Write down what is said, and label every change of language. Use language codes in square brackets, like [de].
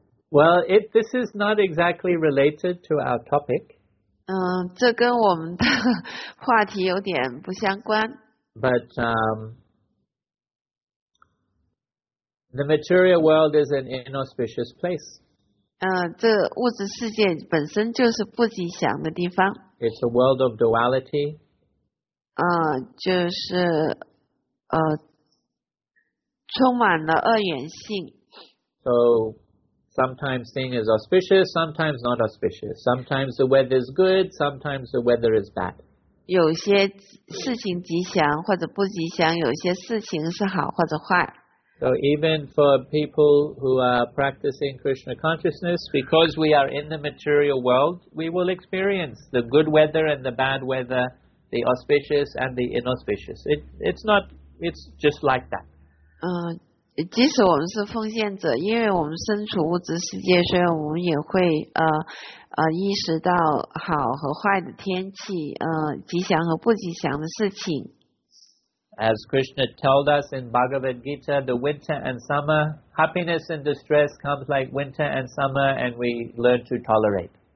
[en] Well, this is not exactly related to our topic. [zh] 这跟我们的话题有点不相关。 [en] But, the material world is an inauspicious place. [zh] 这物质世界本身就是不吉祥的地方。 [en] It's a world of duality. [zh] 就是充满了二元性。 [en] So sometimes thing is auspicious, sometimes not auspicious. Sometimes the weather is good, sometimes the weather is bad. [zh] 有些事情吉祥或者不吉祥，有些事情是好或者坏。 [en] So even for people who are practicing Krishna consciousness, because we are in the material world, we will experience the good weather and the bad weather, the auspicious and the inauspicious. It's just like that. [zh] 即使我们是奉献者，因为我们身处物质世界，所以我们也会意识到好和坏的天气，吉祥和不吉祥的事情。 [en] As Krishna told us in Bhagavad Gita, the winter and summer, happiness and distress comes like winter and summer, and we learn to tolerate.